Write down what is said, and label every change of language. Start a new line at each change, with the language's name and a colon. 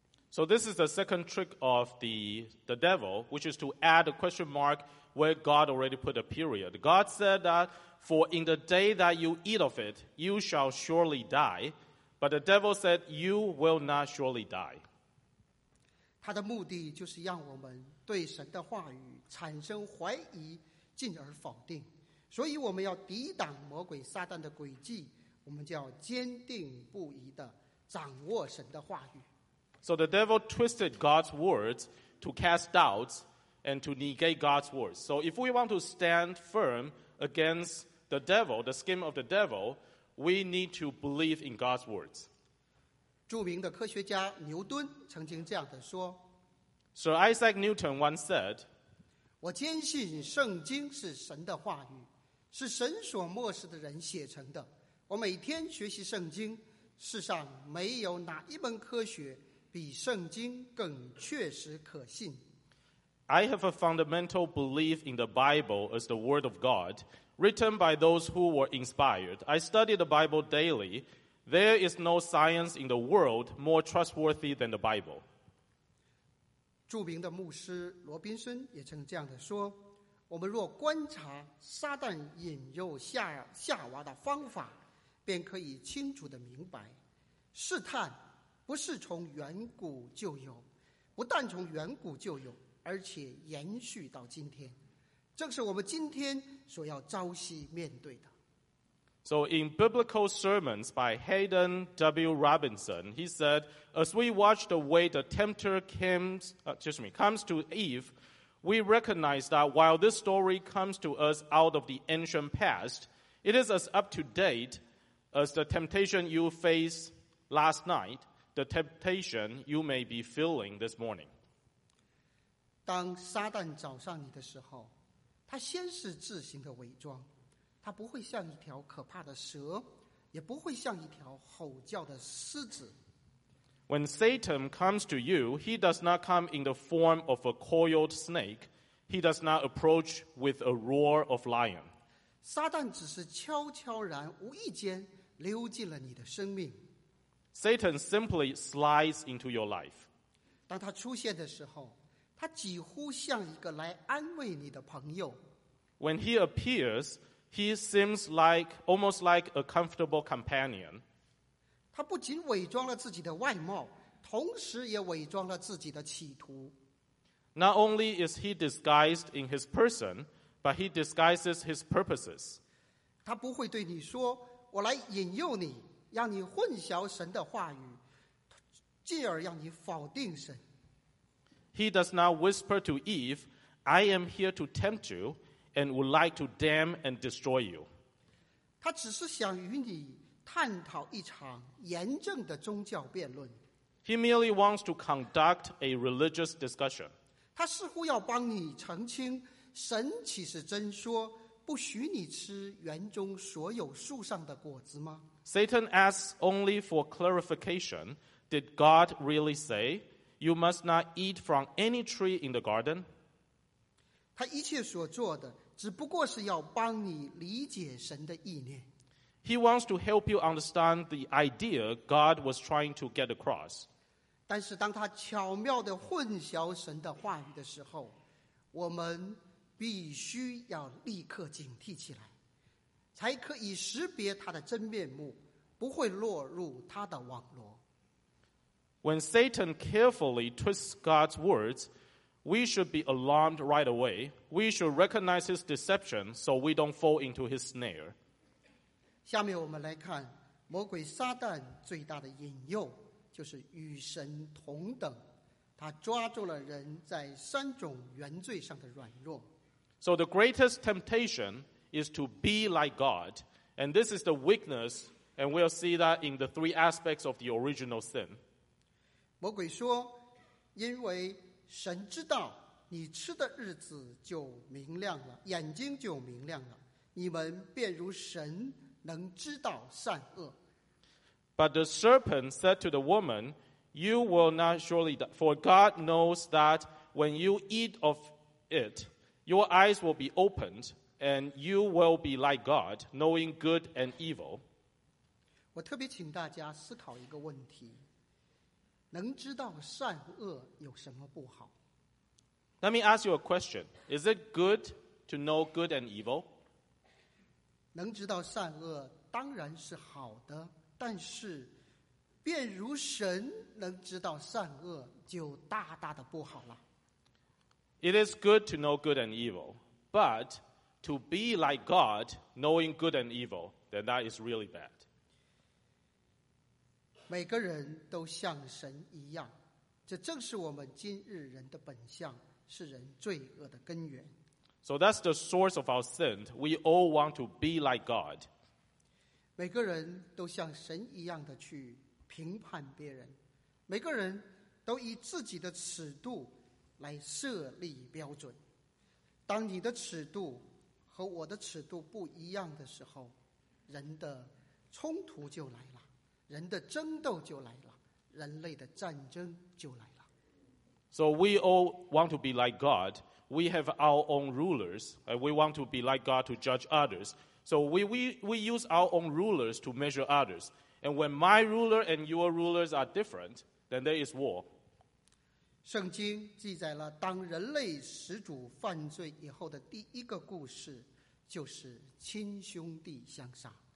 English: So this is the second trick of the devil, which is to add a question mark where God already put a period. God said that for in the day that you eat of it, you shall surely die, but the devil said you will not surely die.
Chinese: 他的目的就是让我们对神的话语产生怀疑，进而否定。所以我们要抵挡魔鬼撒旦的诡计，我们就要坚定不移地掌握神的话语。
English: So the devil twisted God's words to cast doubts and to negate God's words. So if we want to stand firm against the devil, the scheme of the devil, we need to believe in God's words.
Chinese: 著名的科学家牛顿曾经这样的说
English: Sir Isaac Newton once said,
Chinese: 我坚信圣经是神的话语，是神所默示的人写成的。我每天学习圣经，世上没有哪一门科学比圣经更确实可信。
English: I have a fundamental belief in the Bible as the word of God, written by those who were inspired. I study the Bible dailyThere is no science in the world more trustworthy than the Bible.
Chinese: 著名的牧师罗宾森也曾这样的说，我们若观察撒旦引诱夏娃的方法，便可以清楚地明白，试探不是从远古就有，不但从远古就有，而且延续到今天，正是我们今天所要朝夕面对的。
English: So in Biblical Sermons by Hayden W. Robinson, he said, as we watch the way the tempter comes to Eve, we recognize that while this story comes to us out of the ancient past, it is as up to date as the temptation you faced last night, the temptation you may be feeling this morning.
Chinese: 当撒旦找上你的时候，他先是自行的伪装。他不会像一条可怕的蛇，也不会像一条吼叫的狮子。
English: When Satan comes to you, he does not come in the form of a coiled snake. He does not approach with a roar of lion.
Chinese: 撒旦只是悄悄然、无意间溜进了你的生命。
English: Satan simply slides into your life.
Chinese: 当他出现的时候，他几乎像一个来安慰你的朋友。
English: When he appears,He seems like almost like a comfortable companion.
Chinese: 他不仅伪装了自己的外貌，同时也伪装了自己的企图。
English: Not only is he disguised in his person, but he disguises his purposes.
Chinese: 他不会对你说，我来引诱你，让你混淆神的话语，进而让你否定神。
English: He does not whisper to Eve, I am here to tempt you. And would like to damn and destroy you.
Chinese: 他只是想与你探讨一场严正的宗教辩论。
English: He merely wants to conduct a religious discussion.
Chinese: 他似乎要帮你澄清，神岂是真说，不许你吃园中所有树上的果子吗？
English: Satan asks only for clarification. Did God really say, you must not eat from any tree in the garden?
Chinese: 他一切所做的只不过是要帮你理解神的意念。
English: He wants to help you understand the idea God was trying to get across.
Chinese: 但是当他巧妙地混淆神的话语的时候，我们必须要立刻警惕起来，才可以识别他的真面目，不会落入他的网罗。
English: When Satan carefully twists God's words, we should be alarmed right away. We should recognize his deception so we don't fall into his snare.
Chinese: 下面我们来看魔鬼撒旦最大的引诱，就是与神同等。他抓住了人在三种原罪上的软弱。
English: So the greatest temptation is to be like God. And this is the weakness, and we'll see that in the three aspects of the original sin.
Chinese: 魔鬼说，因为神知道你吃的日子就明亮了，眼睛就明亮了，你们便如神能知道善恶。
English: But the serpent said to the woman, You will not surely die, for God knows that when you eat of it, your eyes will be opened, and you will be like God, knowing good and evil.
Chinese: 我特别请大家思考一个问题，能知道善恶有什么不好？
English: Let me ask you a question. Is it good to know good and evil?
Chinese: 能知道善恶当然是好的，但是便如神能知道善恶就大大的不好了。
English: It is good to know good and evil, but to be like God, knowing good and evil, then that is really bad.
Chinese: 每个人都像神一样，这正是我们今日人的本相，是人罪恶的根源。
English: So that's the source of our sin. We all want to be like God.
Chinese: 每个人都像神一样的去评判别人，每个人都以自己的尺度来设立标准。当你的尺度和我的尺度不一样的时候，人的冲突就来了。人的争斗就来了，人类的战争就来了。
English: So we all want to be like God. We have our own rulers, and we want to be like God to judge others. So we use our own rulers to measure others. And when my ruler and your rulers are different, then there is war.
Chinese: 圣经记载了当人类始祖犯罪以后的第一个故事，就是亲兄弟相杀。